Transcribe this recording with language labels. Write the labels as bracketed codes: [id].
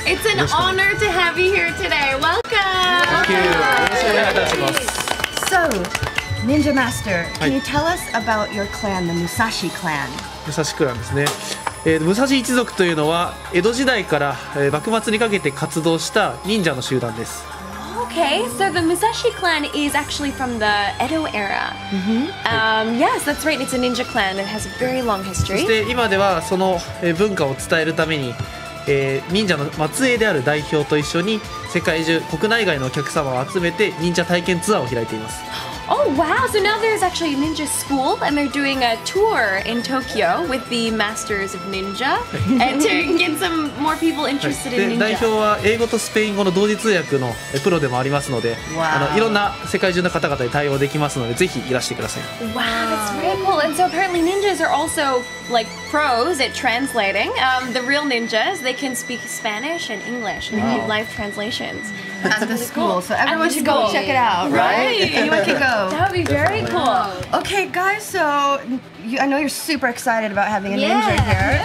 [en] It's an honor to have you here today. Welcome. Thank you. So, Ninja Master, can you tell us about your clan, the Musashi clan? [ja] Musashi clan ですね。武蔵一族というのは江戸時代から幕末にかけて活動した忍者の集団です。 [en] Okay, so the Musashi clan is actually from the Edo era. Yes, that's right. It's a ninja clan. It has a very long history. [ja] そして今ではその文化を伝えるために、忍者の末裔である代表と一緒に世界中、国内外のお客様を集めて忍者体験ツアーを開いています。 [en] Oh wow, so now there's actually a ninja school and they're doing a tour in Tokyo with the masters of ninja and to get some more people interested in ninja. [ja] 代表は英語とスペイン語の同時通訳のプロでもありますので、 [en] wow. [ja] いろんな世界中の方々に対応できますのでぜひいらしてください。 [en] Wow, that's really cool. And so apparently ninjas are also like pros at translating. The real ninjas, they can speak Spanish and English and they do live translations. That's at the really school, cool. So everyone at should go check it out, right? Anyone can go. That would be very cool. Okay, guys, so you, I know you're super excited about having a ninja here.